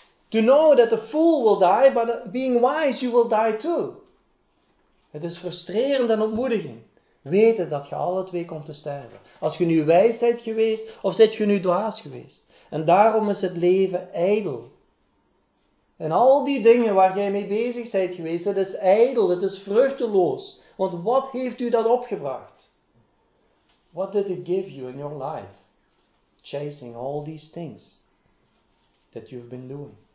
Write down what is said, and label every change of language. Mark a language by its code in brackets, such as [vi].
[en] To know that the fool will die, but being wise, you will die too. [nl] Het is frustrerend en ontmoedigend. Weten dat je alle twee komt te sterven. Als je nu wijs bent geweest, of zit je nu dwaas geweest. En daarom is het leven ijdel. En al die dingen waar jij mee bezig bent geweest, het is ijdel, het is vruchteloos. Want wat heeft u dat opgebracht? [en] What did it give you in your life? Chasing all these things that you've been doing.